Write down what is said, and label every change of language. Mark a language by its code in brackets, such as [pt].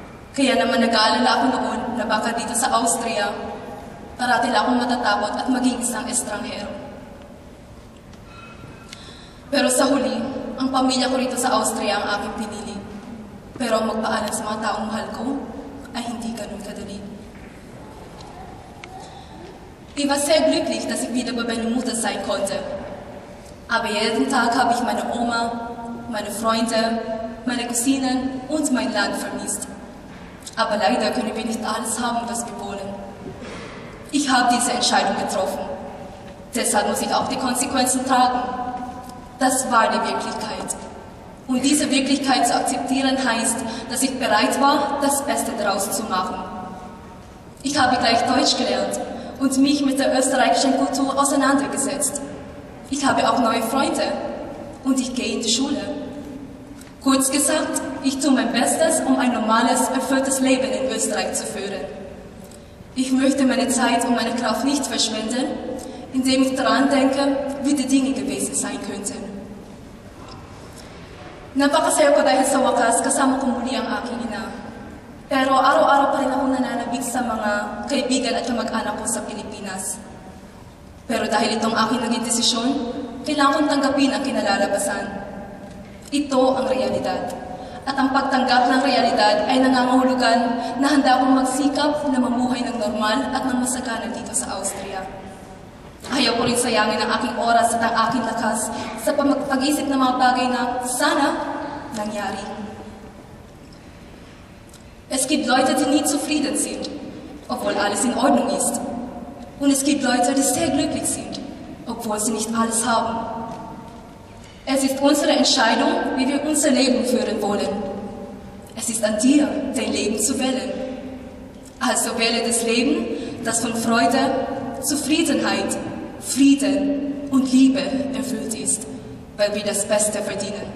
[tl] Kaya naman nag-aalala ako noon na baka dito sa Austria, parati lang akong matatakot at maging isang estranghero. Pero sa huli, ang pamilya ko rito sa Austria ang aking pinili. Pero ang magpaalam sa mga taong mahal ko ay hindi ganun kadali. [de] Ich war sehr glücklich, dass ich wieder bei meiner Mutter sein konnte. Aber jeden Tag habe ich meine Oma, meine Freunde, meine Cousinen und mein Land vermisst. Aber leider können wir nicht alles haben, was wir wollen. Ich habe diese Entscheidung getroffen. Deshalb muss ich auch die Konsequenzen tragen. Das war die Wirklichkeit. Und diese Wirklichkeit zu akzeptieren heißt, dass ich bereit war, das Beste daraus zu machen. Ich habe gleich Deutsch gelernt und mich mit der österreichischen Kultur auseinandergesetzt. Ich habe auch neue Freunde und ich gehe in die Schule. Kurz gesagt, ich tue mein Bestes, um ein normales, erfülltes Leben in Österreich zu führen. Ich möchte meine Zeit und meine Kraft nicht verschwenden, indem ich daran denke, wie die Dinge gewesen sein könnten. [tl] Na papa sa yoko dahil sa wakas kasama ko muli ang aking ina. Pero araw-araw pa rin akong nananabik sa mga kaibigan at kamag-anak ko sa Pilipinas. Pero dahil itong aking naging desisyon, kailangan kong tanggapin ang kinalalabasan. Ito ang realidad. At ang pagtanggap ng realidad ay nangangahulugan na handa akong magsikap na mamuhay ng normal at ng masagana dito sa Austria. Ayaw ko rin sayangin ang aking oras at ang aking lakas sa pag-isip ng mga bagay na sana nangyari. [de] Es gibt Leute, die nie zufrieden sind, obwohl alles in Ordnung ist. Und es gibt Leute, die sehr glücklich sind, obwohl sie nicht alles haben. Es ist unsere Entscheidung, wie wir unser Leben führen wollen. Es ist an dir, dein Leben zu wählen. Also wähle das Leben, das von Freude, Zufriedenheit, Frieden und Liebe erfüllt ist, weil wir das Beste verdienen.